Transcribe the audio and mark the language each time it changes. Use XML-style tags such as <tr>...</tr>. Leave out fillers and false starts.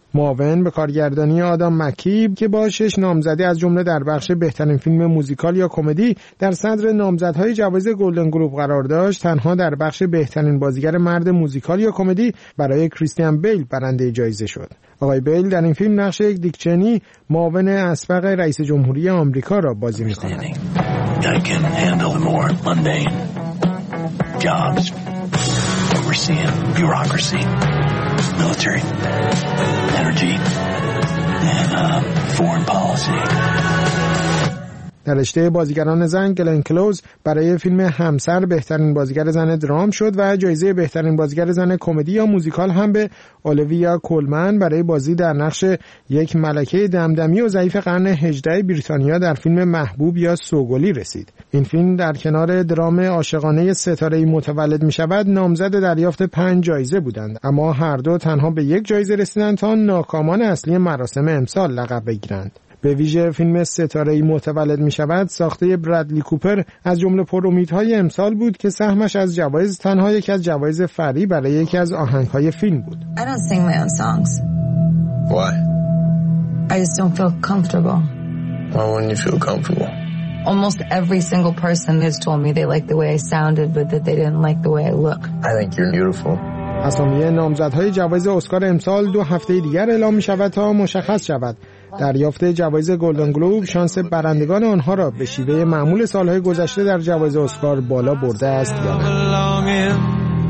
<fa>معاون به کارگردانی آدام مکیب که با 6 نامزدی از جمله در بخش بهترین فیلم موزیکال یا کمدی در صدر نامزدهای جوایز گلدن گلوب قرار داشت، تنها در بخش بهترین بازیگر مرد موزیکال یا کمدی برای کریستیان بیل برنده جایزه شد. آقای بیل در این فیلم نقش یک دیک چنی، معاون اسبق رئیس جمهوری آمریکا را بازی می‌کند.</fa> <en>I can handle the more mundane jobs, overseeing bureaucracy, military, energy, and foreign policy.</en> <fa>در رشته بازیگران زن گلن کلوز برای فیلم همسر بهترین بازیگر زن درام شد و جایزه بهترین بازیگر زن کمدی یا موزیکال هم به اولیویا کولمن برای بازی در نقش یک ملکه دمدمی و ضعیف قرن 18 بریتانیا در فیلم محبوب یا سوگلی رسید. این فیلم در کنار درام عاشقانه ستاره‌ای متولد می‌شود نامزد دریافت 5 جایزه بودند، اما هر دو تنها به یک جایزه رسیدند تا ناکامان اصلی مراسم امسال لقب بگیرند. به ویژه فیلم ستاره‌ای متولد می‌شود ساخته برادلی کوپر از جمله پرامیدهای امسال بود که سهمش از جوایز تنها یکی از جوایز فری برای یکی از آهنگ‌های فیلم بود.</fa> <en>I don't sing my own songs. Why? I just don't feel comfortable. Why wouldn't you feel comfortable? Almost every single person has told me they like the way I sounded but that they didn't like the way I look. I think you're beautiful.</en> <fa>اسامی نامزدهای جوایز اسکار امسال دو هفته دیگر اعلام می‌شود تا مشخص شود. دریافت جوایز گلدن گلوب شانس برندگان آنها را به شیوه معمول سالهای گذشته در جوایز اسکار بالا برده است یا نه.</fa>